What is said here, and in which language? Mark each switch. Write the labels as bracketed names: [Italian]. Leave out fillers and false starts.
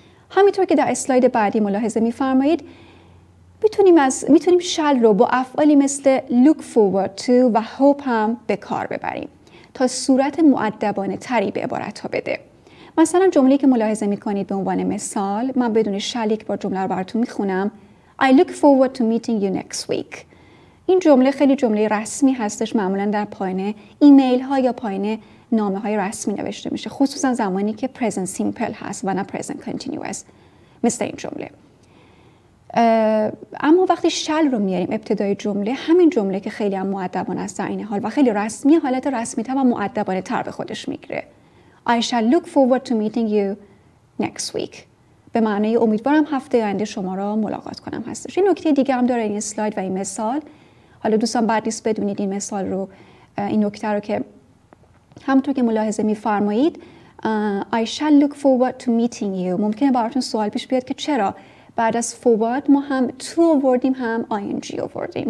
[Persian] همینطور که در اسلاید بعدی ملاحظه می‌فرمایید، میتونیم شل رو با افعالی مثل look forward to و hope هم به کار ببریم تا صورت مؤدبانه تری به عبارت ها بده. مثلا جمله‌ای که ملاحظه می‌کنید به عنوان مثال، من بدون شل یک بار جمله رو براتون می‌خونم. [English] I look forward to meeting you next week. [Persian] این جمله خیلی جمله رسمی هستش، معمولا در پایین ایمیل ها یا پایین نامه های رسمی نوشته میشه، خصوصا زمانی که present simple هست و نه present continuous مثل این جمله. اما وقتی shall رو میاریم ابتدای جمله، همین جمله که خیلی هم مؤدبانه است در این حال و خیلی رسمی، حالت رسمی تر و مؤدبانه تر به خودش میگیره. [English] I shall look forward to meeting you next week. [Persian] به معنی امیدوارم هفته آینده شما را ملاقات کنم هستش. این نکته دیگه هم داره این اسلاید و این مثال. حالا دوستان بعد نیست بدونید این مثال رو، این نکته رو که همونطور که ملاحظه می‌فرمایید [English] I shall look forward to meeting you. [Persian] ممکنه براتون سوال پیش بیاد که چرا بعد از forward ما هم to آوردیم هم ing آوردیم.